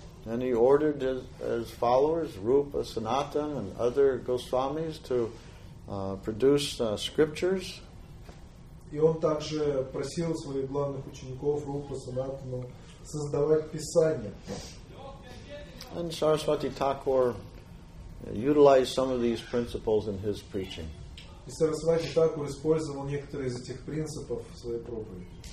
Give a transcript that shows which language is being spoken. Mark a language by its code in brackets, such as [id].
[en] And he ordered his followers, Rupa, Sanatan, and other Goswamis, to produce scriptures. [ru] И он также просил своих главных учеников, Рупа, Санатану, создавать писания. [en] And Saraswati Thakur utilized some of these principles in his preaching. [ru] И Сарасвати Такур использовал некоторые из этих принципов в своей проповеди.